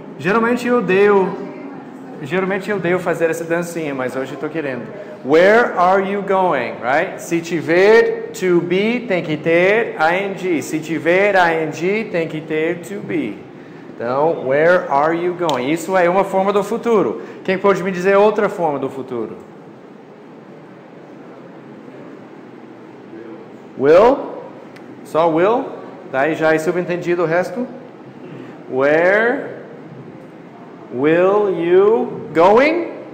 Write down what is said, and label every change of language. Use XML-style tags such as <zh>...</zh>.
<pt>Geralmente eu odeio fazer essa dancinha, mas hoje estou querendo.</pt> <en>Where are you going, right?</en> <pt>Se tiver to be, tem que ter ing. Se tiver ing, tem que ter to be.</pt> <en>Então, where are you going?</en> <pt>Isso é uma forma do futuro. Quem pode me dizer outra forma do futuro? Will? Só will? Daí já é subentendido o resto?</pt> <en>Where will you going?</en>